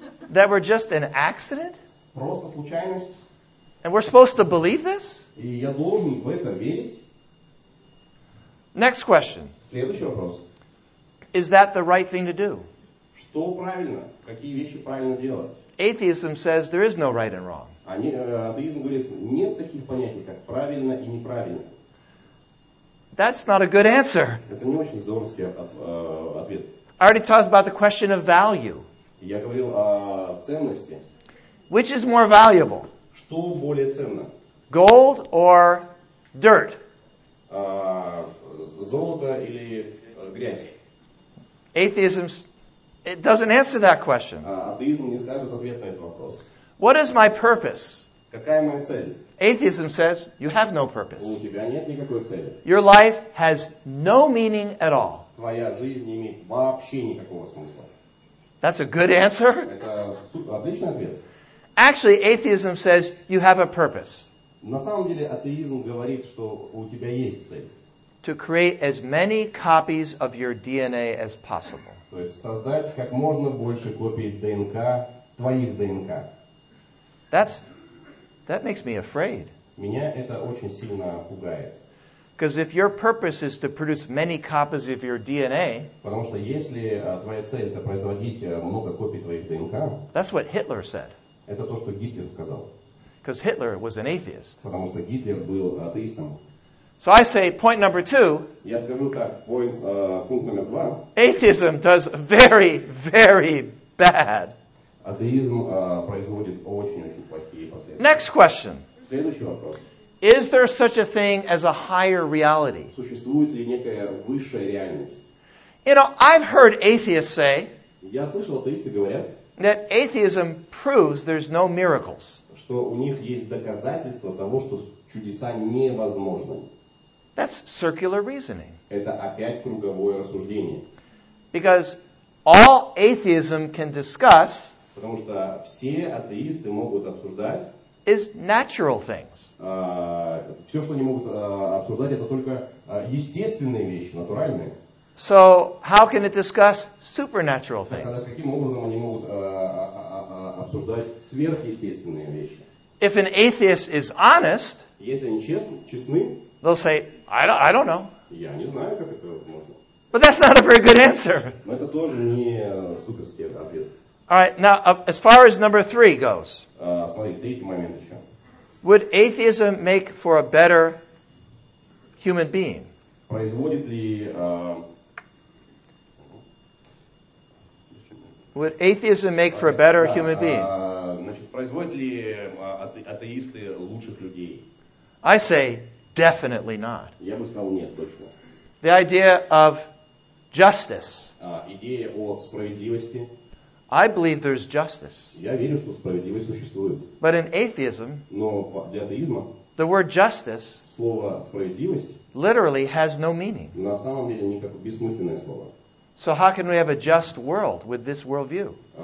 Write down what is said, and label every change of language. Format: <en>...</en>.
<en>That we're just an accident?</en> <ru>Просто случайность.</ru> <en>And we're supposed to believe this?</en> <ru>И я должен в это верить?</ru> <en>Next question.</en> <ru>Следующий вопрос.</ru> <en>Is that the right thing to do?</en> <ru>Что правильно? Какие вещи правильно делать?</ru> <en>Atheism says there is no right and wrong.</en> <ru>Атеизм говорит, нет таких понятий, как правильно и неправильно.</ru> <en>That's not a good answer.</en> <ru>Это не очень здоровский ответ.</ru> <en>I already talked about the question of value.</en> <ru>Я говорил о ценности.</ru> <en>Which is more valuable?</en> <ru>Что более ценно?</ru> <en>Gold or dirt?</en> <ru>Золото или грязь?</ru> <en>Atheism's It doesn't answer that question.</en> <ru>Атеизм не скажет ответ на этот вопрос.</ru> <en>What is my purpose?</en> <ru>Какая моя цель?</ru> <en>Atheism says you have no purpose.</en> <ru>У тебя нет никакой цели.</ru> <en>Your life has no meaning at all.</en> <ru>Твоя жизнь не имеет вообще никакого смысла.</ru> <en>That's a good answer.</en> <ru>Это отличный ответ.</ru> <en>Actually, atheism says you have a purpose.</en> <ru>На самом деле, атеизм говорит, что у тебя есть цель.</ru> <en>To create as many copies of your DNA as possible.</en> <ru>То есть создать как можно больше копий ДНК, твоих ДНК.</ru> <en>That makes me afraid.</en> <ru>Меня это очень сильно пугает.</ru> <en>Because if your purpose is to produce many copies of your DNA,</en> <ru>потому что если твоя цель это производить много копий твоих ДНК,</ru> <en>that's what Hitler said.</en> <ru>Это то, что Гитлер сказал.</ru> <en>Because Hitler was an atheist.</en> <ru>Потому что Гитлер был атеистом.</ru> <en>So I say, point number two.</en> <ru>Я скажу так, пункт номер два.</ru> <en>Atheism does very, very bad.</en> <ru>Атеизм производит очень-очень плохие последствия.</ru> <en>Next question.</en> <ru>Следующий вопрос.</ru> <en>Is there such a thing as a higher reality?</en> <ru>Существует ли некая высшая реальность?</ru> <en>You know, I've heard atheists say.</en> <ru>Я слышал, атеисты говорят.</ru> <en>That atheism proves there's no miracles.</en> <ru>Что у них есть доказательства того, что чудеса невозможны.</ru> <en>That's circular reasoning.</en> <ru>Это опять круговое рассуждение.</ru> <en>Because all atheism can discuss,</en> <ru>потому что все атеисты могут обсуждать,</ru> <en>is natural things.</en> <ru>Все, что они могут обсуждать, это только естественные вещи, натуральные.</ru> <en>So how can it discuss supernatural things?</en> <ru>Тогда каким образом они могут обсуждать сверхъестественные вещи?</ru> <en>If an atheist is honest,</en> <ru>если они честны,</ru> <en>they'll say, I don't know.</en> <ru>Я не знаю, как это можно.</ru> <en>But that's not a very good answer.</en> <ru>Но это тоже не суперский ответ.</ru> <en>All right, now as far as number three goes.</en> <ru>Смотри, третий момент еще.</ru> <en>Would atheism make for a better human being?</en> <ru>Производит ли</ru> <en>Would atheism make for a better human being?</en> <ru>Значит, производят ли атеисты лучших людей?</ru> <en>I say definitely not.</en> <ru>Я бы сказал нет, точно.</ru> <en>The idea of justice.</en> <ru>Идея о справедливости.</ru> <en>I believe there's justice.</en> <ru>Я верю, что справедливость существует.</ru> <en>But in atheism.</en> <ru>Но для атеизма.</ru> <en>The word justice.</en> <ru>Слово справедливость.</ru> <en>Literally has no meaning.</en> <ru>На самом деле никакое бессмысленное слово.</ru> <en>So how can we have a just world with this worldview?</en>